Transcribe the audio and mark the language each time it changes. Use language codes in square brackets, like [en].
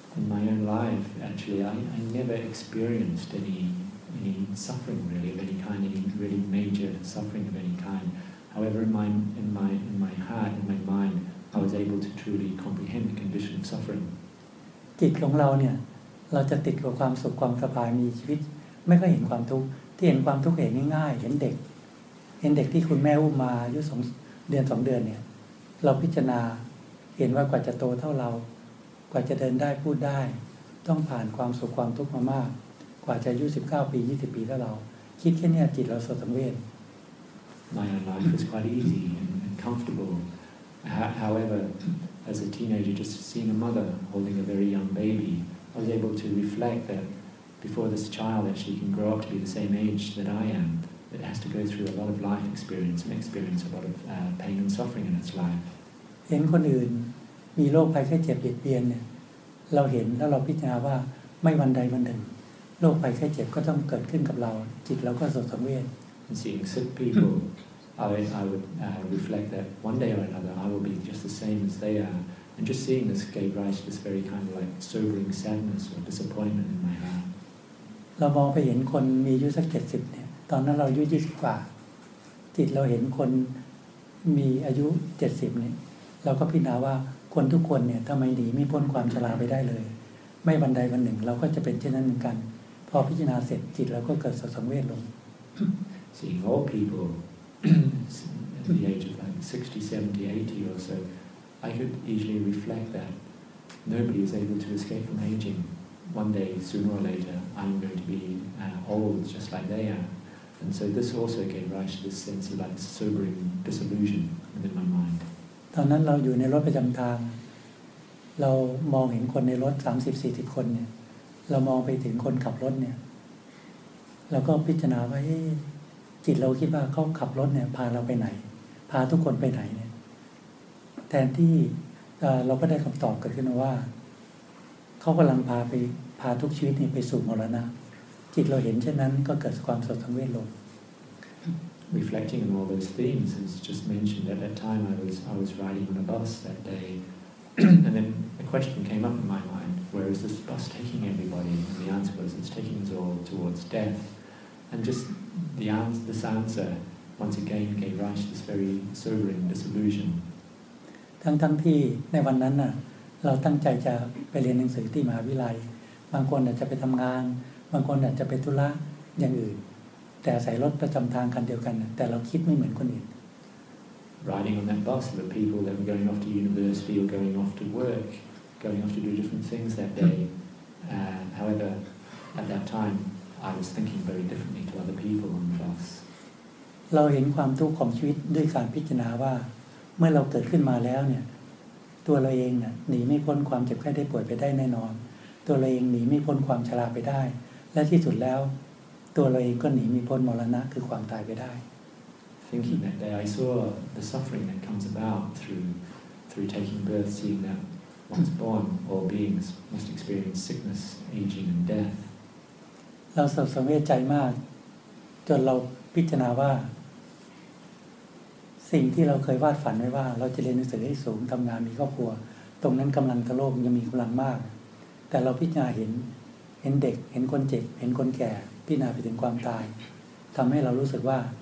[en] In my own life, actually, I never experienced any suffering really of any kind, any really major suffering of any kind. However, in my heart, in my mind, I was able to truly comprehend the condition of suffering. [th] จิตของเราเนี่ยเราจะติดกับความสุขความสบายมีชีวิตไม่ค่อยเห็นความทุกข์ที่เห็นความทุกข์เห็นง่ายๆเห็นเด็กที่คุณแม่อุ้มมาอายุ2 เดือนเนี่ยเราพิจารณา เห็นว่ากว่าจะโตเท่าเรากว่าจะเดินได้พูดได้ต้องผ่านความสุขความทุกข์มามากกว่าจะอายุ19ปี20ปีเท่าเราคิดแค่นี้จิตเราสงบสังเวช [en] My life is quite easy and comfortable. However, as a teenager, just seeing a mother holding a very young baby, I was able to reflect that before this child actually can grow up to be the same age that I am, it has to go through a lot of life experience and experience a lot of pain and suffering in its life. [th] เห็นคนอื่นมีโรคภัยไข้เจ็บเบียดเบียนเนี่ยเราเห็นแล้วเราพิจารณาว่าไม่วันใดวันหนึ่งโรคภัยไข้เจ็บก็ต้องเกิดขึ้นกับเราจิตเราก็สงบสังเวช [en] Seeing sick people, I would reflect that one day or another I will be just the same as they are, and just seeing this gave rise to this very kind of like sobering sadness or disappointment in my heart. [th] เรามองไปเห็นคนมีอายุสัก70เนี่ยตอนนั้นเราอายุ20กว่าจิตเราเห็นคนมีอายุ70เนี่ยเราก็พิจารณาว่าคนทุกคนเนี่ยทำไมหนีไม่พ้นความชราไปได้เลยไม่วันใดวันหนึ่งเราก็จะเป็นเช่นนั้นเหมือนกันพอพิจารณาเสร็จจิตเราก็เกิดสังเวชลง [en] Seeing old people at the age of like 60, 70, 80 or so, I could easily reflect that nobody is able to escape from aging. One day, sooner or later, I'm going to be old just like they are. And so this also gave rise to this sense of like sobering disillusion within my mind. [th] ตอนนั้นเราอยู่ในรถประจำทางเรามองเห็นคนในรถ 30-40 คนเนี่ยเรามองไปถึงคนขับรถเนี่ยเราก็พิจารณาว่าจิตเราคิดว่าเขาขับรถเนี่ยพาเราไปไหนพาทุกคนไปไหนเนี่ยแทนที่เราก็ได้คำตอบเกิดขึ้นว่าเขากำลังพาไปพาทุกชีวิตนี่ไปสู่มรณะจิตเราเห็นเช่นนั้นก็เกิดความสงบสังเวชลง [en] Reflecting on all those themes, as just mentioned, at that time I was riding on a bus that day, and then a question came up in my mind: where is this bus taking everybody? And the answer was: it's taking us all towards death. And just the answer, this answer, once again gave rise to this very sobering disillusion. [th] ทั้งที่ในวันนั้นน่ะเราตั้งใจจะไปเรียนหนังสือที่มหาวิทยาลัยบางคนอาจจะไปทำงานบางคนอาจจะไปธุระอย่างอื่นแต่ใส่รถประจำทางคันเดียวกันแต่เราคิดไม่เหมือนคนอื่น [en] Riding on that bus, the people that were going off to university or going off to work, going off to do different things that day. However, at that time, I was thinking very differently to other people on the bus. [th] เราเห็นความทุกข์ของชีวิตด้วยการพิจารณาว่าเมื่อเราเกิดขึ้นมาแล้วเนี่ยตัวเราเองเนี่ยหนีไม่พ้นความเจ็บไข้ได้ป่วยไปได้แน่นอนตัวเราเองหนีไม่พ้นความชราไปได้และที่สุดแล้วตัวเราเองก็หนีมีพ้นมรณะคือความตายไปได้ [en] Thinking that day, I saw the suffering that comes about through taking birth, seeing that once born, all beings must experience sickness, aging, and death. [th] เราสงสารใจมากจนเราพิจารณาว่าสิ่งที่เราเคยวาดฝันไว้ว่าเราจะเรียนหนังสือให้สูงทำงานมีครอบครัวตรงนั้นกำลังทะโลกยังมีกำลังมากแต่เราพิจารณาเห็นเด็กเห็นคนเจ็บเห็นคนแก่พิจารณาถึงความตายทำให้เรารู้สึกว่า